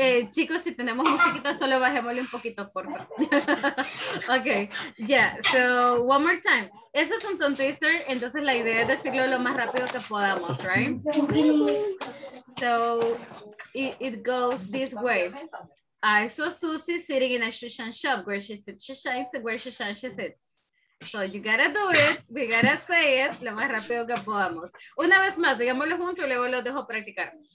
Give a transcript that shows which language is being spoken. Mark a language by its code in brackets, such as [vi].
[es] Chicos, si tenemos musiquita, solo bajémosle un poquito, por favor. [en] Okay, yeah, so one more time. [es] Eso es un tongue twister, entonces la idea es decirlo lo más rápido que podamos, right? [en] So, it goes this way. I saw Susie sitting in a shoeshine shop where she sits, she shines, and where she shines, she sits. So, you gotta do it, we gotta say it [es] lo más rápido que podamos. Una vez más, digámoslo juntos y luego los dejo practicar.